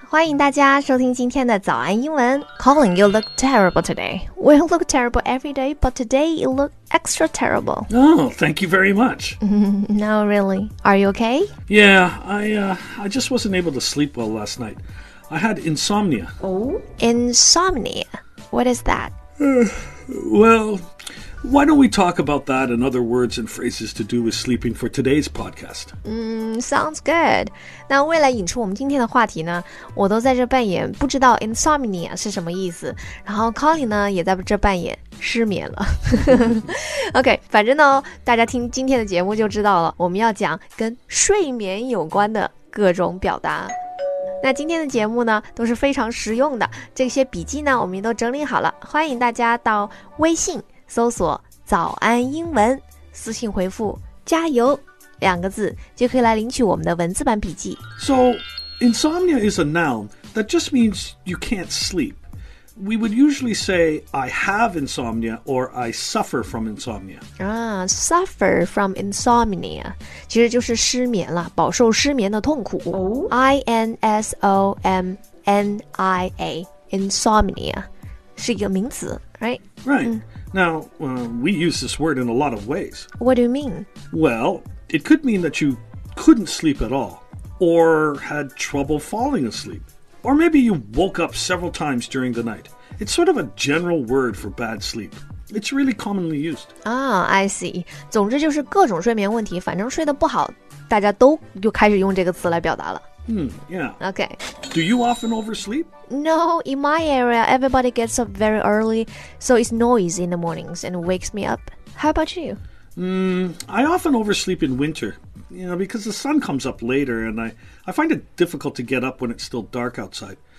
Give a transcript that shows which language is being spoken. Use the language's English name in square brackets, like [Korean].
[Chinese] 欢迎大家收听今天的早安英文。 [English] Colin, you look terrible today. We look terrible every day, but today you look extra terrible. Oh, thank you very much. No, really. Are you okay? Yeah, I just wasn't able to sleep well last night. I had insomnia. Oh, insomnia. What is that? Why don't we talk about that and other words and phrases to do with sleeping for today's podcast? Sounds good. [Chinese] 那为了引出我们今天的话题呢，我都在这扮演不知道 insomnia 是什么意思，然后 Colin 呢也在这扮演失眠了。 OK, 反正呢，大家听今天的节目就知道了，我们要讲跟睡眠有关的各种表达。那今天的节目呢都是非常实用的，这些笔记呢我们都整理好了，欢迎大家到微信搜索早安英文，私信回复加油两个字就可以来领取我们的文字版笔记。 [English] So, insomnia is a noun that just means you can't sleep. We would usually say I have insomnia or I suffer from insomnia. Suffer from insomnia [Chinese] 其实就是失眠了，饱受失眠的痛苦。 Insomnia, insomnia 是一个名词， [English] right? Now, we use this word in a lot of ways. What do you mean? Well, it could mean that you couldn't sleep at all, or had trouble falling asleep. Or maybe you woke up several times during the night. It's sort of a general word for bad sleep. It's really commonly used. I see. [Chinese] 总之就是各种睡眠问题，反正睡得不好，大家都又开始用这个词来表达了。 [English] Yeah. Okay. Do you often oversleep? No, in my area, everybody gets up very early, so it's noisy in the mornings and wakes me up. How about you? I often oversleep in winter, you know, because the sun comes up later and I find it difficult to get up when it's still dark outside.